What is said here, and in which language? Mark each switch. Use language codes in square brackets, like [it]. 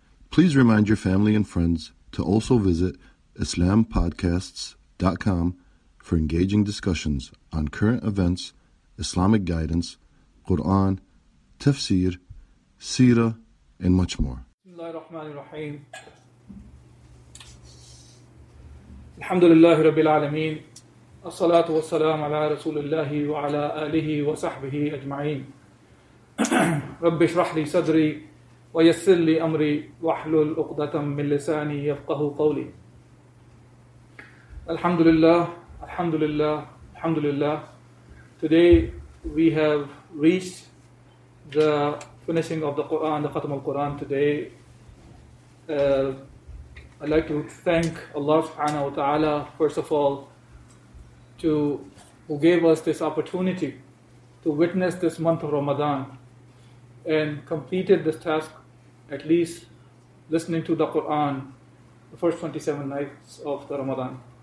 [en] Please remind your family and friends to also visit IslamPodcasts.com for engaging discussions on current events, Islamic guidance, Quran, Tafsir, Sira, and much more. Bismillahirrahmanirrahim. [ar] الحمد لله رب العالمين الصلاة والسلام على رسول الله وعلى آله وصحبه أجمعين رب اشرح لي صدري ويسر لي أمري واحلل عقدة من لساني يفقه قولي الحمد لله الحمد لله الحمد لله. [en] Today we have reached the finishing of the Quran, the Khatam al-Quran today. I'd like to thank Allah subhanahu wa ta'ala, first of all, who gave us this opportunity to witness this month of Ramadan and completed this task, at least listening to the Quran, the first 27 nights of the Ramadan.